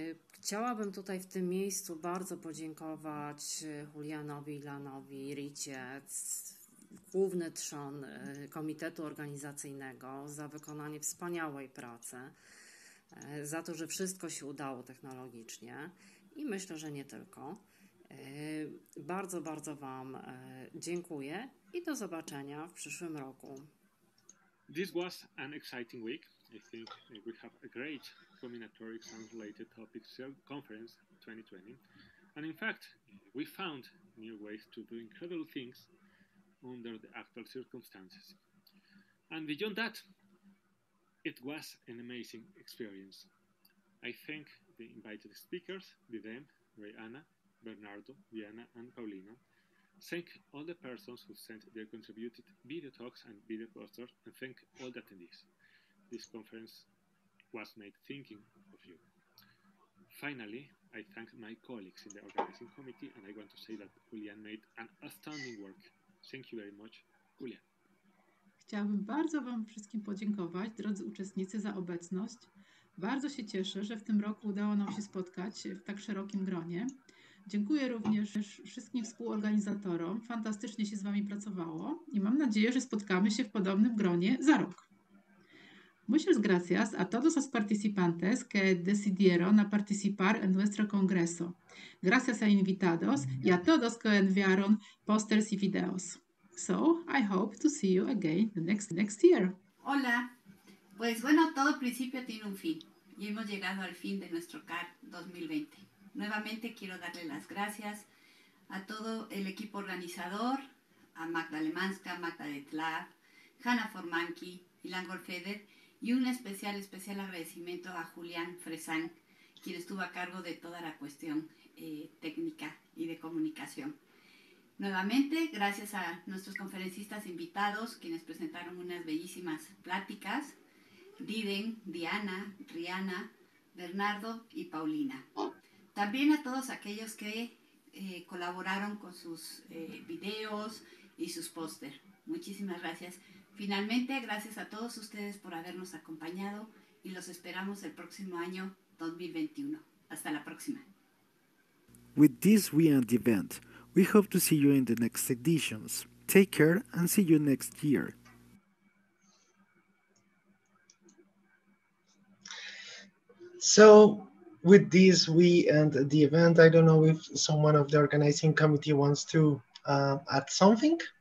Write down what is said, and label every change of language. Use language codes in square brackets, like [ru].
[pl] Chciałabym tutaj w tym miejscu bardzo podziękować Julianowi, Ilanowi, Ricie, główny trzon Komitetu Organizacyjnego, za wykonanie wspaniałej pracy, za to, że wszystko się udało technologicznie. I myślę, że nie tylko. Bardzo, bardzo Wam dziękuję i do zobaczenia w przyszłym roku. [en] This was an exciting week. I think we have a great Combinatorics and Related Topics Conference 2020. And in fact, we found new ways to do incredible things under the actual circumstances. And beyond that, it was an amazing experience. I thank the invited speakers, Didem, Rayana, Bernardo, Diana, and Paulina. Thank all the persons who sent their contributed video talks and video posters, and thank all the attendees. This conference was made thinking of you. Finally, I thank my colleagues in the organizing committee, and I want to say that Julian made an astounding work. Thank you very much, Julian. [pl] Chciałabym bardzo Wam wszystkim podziękować, drodzy uczestnicy, za obecność. Bardzo się cieszę, że w tym roku udało nam się spotkać w tak szerokim gronie. Dziękuję również wszystkim współorganizatorom. Fantastycznie się z Wami pracowało i mam nadzieję, że spotkamy się w podobnym gronie za rok. [es] Muchas gracias a todos los participantes que decidieron a participar en nuestro congreso. Gracias a invitados y a todos que enviaron posters y videos. [en] So, I hope to see you again next year. [es] Hola. Pues bueno, todo principio tiene un fin y hemos llegado al fin de nuestro CAR 2020. Nuevamente quiero darle las gracias a todo el equipo organizador, a Magda Lemanska, Magda Detlab, Hanna Formanki, Ilan Golfeder y un especial agradecimiento a Julián Fresán, quien estuvo a cargo de toda la cuestión técnica y de comunicación. Nuevamente, gracias a nuestros conferencistas invitados, quienes presentaron unas bellísimas pláticas, Diden, Diana, Rihanna, Bernardo y Paulina. También a todos aquellos que colaboraron con sus videos y sus póster. Muchísimas gracias. Finalmente, gracias a todos ustedes por habernos acompañado y los esperamos el próximo año 2021. Hasta la próxima. [en] With this we end the event. We hope to see you in the next editions. Take care and see you next year. So, with this, we end the event. I don't know if someone of the organizing committee wants to add something.